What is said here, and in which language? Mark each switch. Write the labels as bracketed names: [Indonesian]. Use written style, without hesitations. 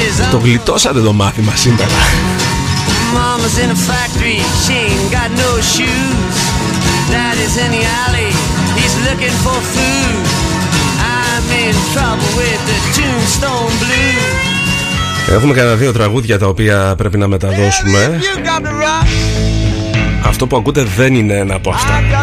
[Greek] Το γλιτώσατε το μάθημα σήμερα. [English] Mama's in a factory, she ain't got no shoes. Daddy's in the alley, he's looking for food. I'm in trouble with the tombstone blue. [Greek] Έχουμε κανένα δύο τραγούδια τα οποία πρέπει να μεταδώσουμε. Αυτό που ακούτε δεν είναι ένα από αυτά.